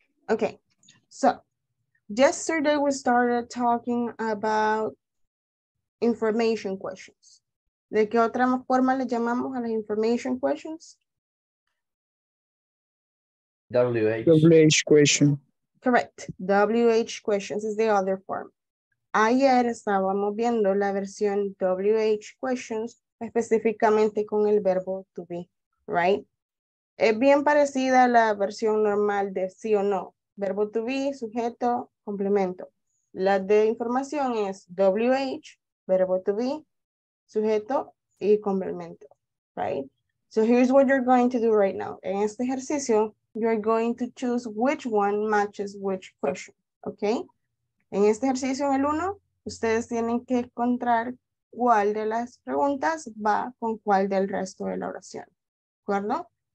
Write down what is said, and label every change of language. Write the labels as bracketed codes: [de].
[en] Okay, so yesterday we started talking about information questions. [es] ¿De qué otra forma le llamamos a las information questions? [en] WH question. Correct. WH questions is the other form. [es] Ayer estábamos viendo la versión WH questions específicamente con el verbo to be, right? Es bien parecida a la versión normal de sí o no. Verbo to be, sujeto, complemento. La de información es WH, verbo to be, sujeto y complemento, right? [en] So here's what you're going to do right now. [es] En este ejercicio, [en] you're going to choose which one matches which question, okay? [es] En este ejercicio, en el 1, ustedes tienen que encontrar cuál de las preguntas va con cuál del resto de la oración, ¿de acuerdo?